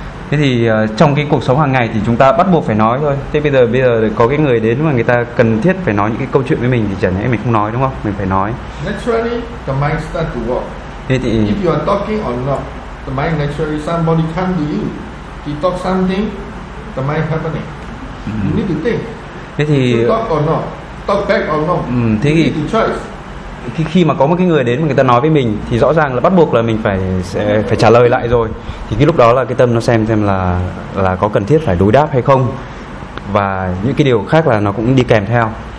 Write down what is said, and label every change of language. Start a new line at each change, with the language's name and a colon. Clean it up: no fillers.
Vietnamese: Thế thì trong cái cuộc sống hàng ngày thì chúng ta bắt buộc phải nói thôi. Thế bây giờ có cái người đến mà người ta cần thiết phải nói những cái câu chuyện với mình thì chẳng lẽ mình không nói đúng không? Mình phải nói.
English: Naturally, the mind start to work.
Vietnamese: Thế thì
English: if you are talking or not, the mind naturally somebody come to you, you talk something, the mind happening. You need to think.
Vietnamese: Thế thì
English: if you talk or not, talk back or not.
Vietnamese: Thế thì
English: you need to choose.
Vietnamese: Khi mà có một cái người đến mà người ta nói với mình thì rõ ràng là bắt buộc là mình phải trả lời lại rồi. Thì cái lúc đó là cái tâm nó xem là có cần thiết phải đối đáp hay không. Và những cái điều khác là nó cũng đi kèm theo.